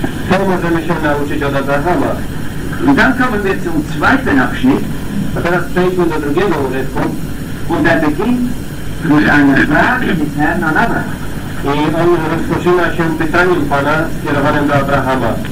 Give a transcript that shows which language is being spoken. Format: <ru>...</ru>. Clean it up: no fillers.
<pl>To możemy się nauczyć od Abrahama.</pl> <de>Und dann kommen wir zum zweiten Abschnitt.</de> <pl>A teraz przejdźmy do drugiego urywku.</pl> <de>Und er beginnt mit einer Frage des Herrn an Abraham.</de> <pl>I on rozpoczyna się pytaniem Pana skierowanym do Abrahama.</pl>